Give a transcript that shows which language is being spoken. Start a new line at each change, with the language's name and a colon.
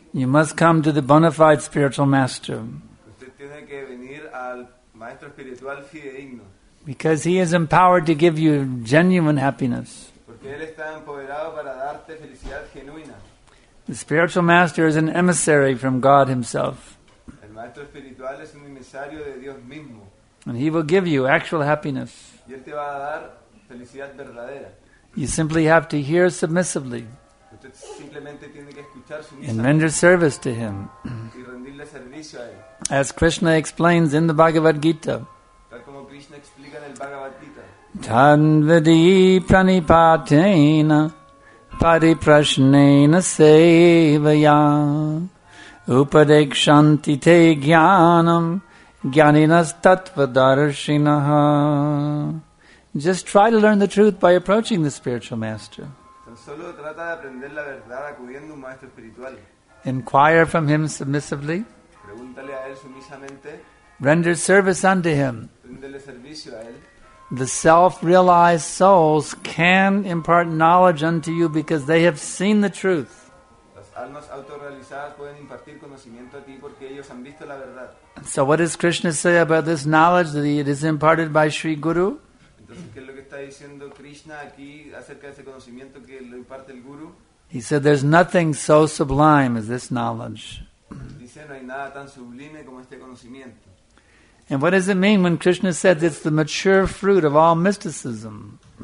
English: you must come to the bona fide spiritual master.
Spanish: Usted tiene que venir al maestro espiritual fidedigno.
English: Because he is empowered to give you genuine happiness.
Spanish: Porque él está empoderado para darte felicidad genuina.
English: The spiritual master is an emissary from God himself.
Spanish: El maestro espiritual es un emisario de Dios mismo.
English: And he will give you actual happiness.
Spanish: Y él te va a dar felicidad verdadera.
English: You simply have to hear submissively.
Spanish: Usted simplemente tiene que escuchar sumisamente.
English: And render service to him.
Spanish: Y rendirle servicio a él.
English: As Krishna explains in the Bhagavad Gita.
Spanish: Tal como Krishna explica en el Bhagavad Gita.
Sanskrit: Tanvadi pranipatena Pariprasnena sevaya upadekshanti te jnanam jnaninas tattva darshinaha.
English: Just try to learn the truth by approaching the spiritual master.
Spanish: Solo trata de aprender la verdad acudiendo un maestro espiritual.
English: Inquire from him submissively.
Spanish: Pregúntale a él sumisamente.
English: Render service unto him.
Spanish: Rendele servicio a él.
English: The self-realized souls can impart knowledge unto you because they have seen the truth.
Spanish: Las almas autorrealizadas pueden impartir conocimiento a ti porque ellos han visto la verdad.
English: So what does Krishna say about this knowledge that it is imparted by Sri Guru?
Spanish: Entonces, ¿qué es lo que está diciendo Krishna aquí acerca de ese conocimiento que lo imparte el Guru?
English: He said, there's nothing so sublime as this knowledge.
Spanish: Dice, no hay nada tan sublime como este conocimiento.
English: And what does it mean when Krishna says it's the mature fruit of all mysticism?